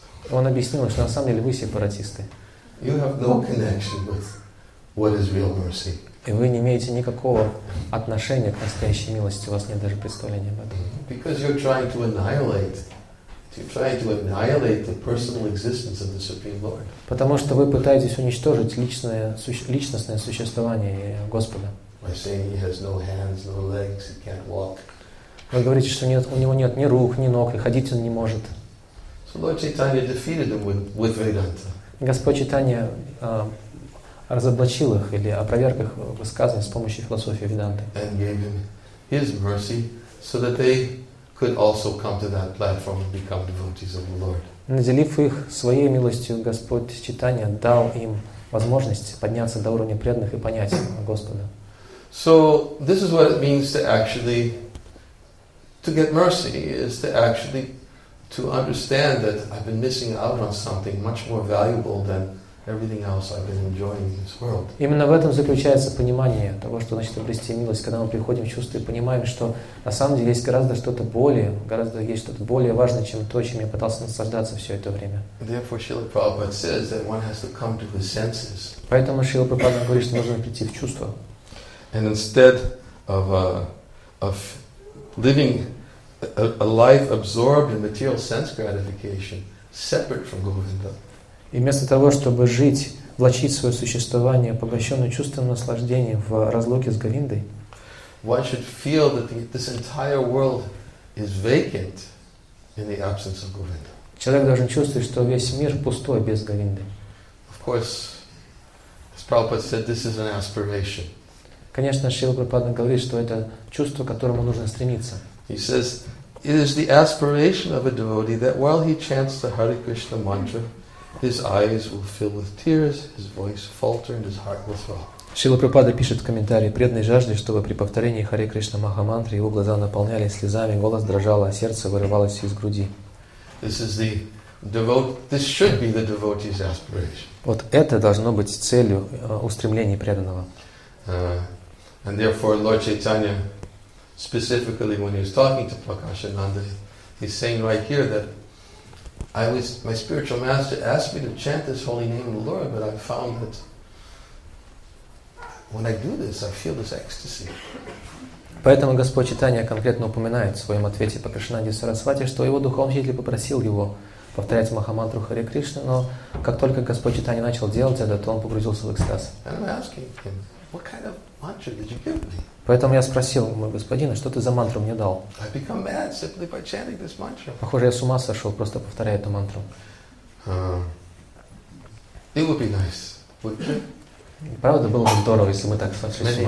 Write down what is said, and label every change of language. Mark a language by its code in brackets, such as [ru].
[ru] Он объяснил, что на самом деле вы сепаратисты. [en] You have no connection with what is real mercy. [ru] И вы не имеете никакого отношения к настоящей милости, у вас нет даже представления об этом. [en] Because you're trying to annihilate. You're trying to annihilate the personal existence of the Supreme Lord. [ru] Потому что вы пытаетесь уничтожить личностное существование Господа. [en] By saying he has no hands, no legs, he can't walk. [ru] Вы говорите, что у него нет ни рук, ни ног, и ходить он не может. [en] So Lord Chaitanya defeated him with Vedanta. [ru] Господь Чайтанья разоблачил их или опроверг их высказывания с помощью философии Веданты. [en] And gave him his mercy so that they could also come to that platform and become devotees of the Lord. [ru] Наделив их своей милостью, Господь Чайтанья дал им возможность подняться до уровня преданных и понять Господа. [en] So this is what it means to actually to get mercy is to actually to understand that I've been missing out on something much more valuable than everything else I've been enjoying in this world. [ru] Именно в этом заключается понимание того, что значит обрести милость, когда мы приходим в чувство и понимаем, что на самом деле есть гораздо что-то более важное, чем то, чем я пытался наслаждаться все это время. [en] Therefore, Srila Prabhupada says that one has to come to his senses. [ru] Поэтому Шрила Прабхупада говорит, что нужно прийти в чувство. [en] And instead of living a life absorbed in material sense gratification, separate from Govinda. [ru] И вместо того, чтобы жить, влачить свое существование, поглощенное чувством наслаждения в разлуке с Говиндой, [en] one should feel that this entire world is vacant in the absence of Govinda. [ru] Человек должен чувствовать, что весь мир пустой без Говинды. [en] Of course, as Prabhupada said, this is an aspiration. [ru] Конечно, Шрила Прабхупада говорит, что это чувство, к которому нужно стремиться. [en] He says, it is the aspiration of a devotee that while he chants the Hare Krishna mantra, his eyes will fill with tears, his voice falter, and his heart will throb. [ru] Шрила Прабхупада пишет в комментарии, преданный жаждет, чтобы при повторении Hare Krishna Mahamantra его глаза наполнялись слезами, голос дрожал, а сердце вырывалось из груди. [en] This is the devotee, this should be the devotee's aspiration. [ru] Вот это должно быть целью устремлений преданного. [en] And therefore, Lord Chaitanya, specifically when he was talking to Prakashananda, he's saying right here that my spiritual master asked me to chant this holy name of the Lord, but I found that when I do this, I feel this ecstasy. [ru] Поэтому Господь Чайтанья конкретно упоминает в своем ответе Прокашинанде Сарасвати, что его духовный учитель попросил его повторять Махамантру Харе Кришна, но как только Господь Чайтанья начал делать это, то он погрузился в экстаз. [en] And I'm asking him, what kind of mantra did you give me? [ru] Поэтому я спросил моего господина, что ты за мантру мне дал? [en] I've become mad simply by chanting this mantra. [ru] Похоже, я с ума сошел, просто повторяя эту мантру. [en] It would be nice, wouldn't it? [ru] Правда, было бы здорово, если мы так сошли с ума.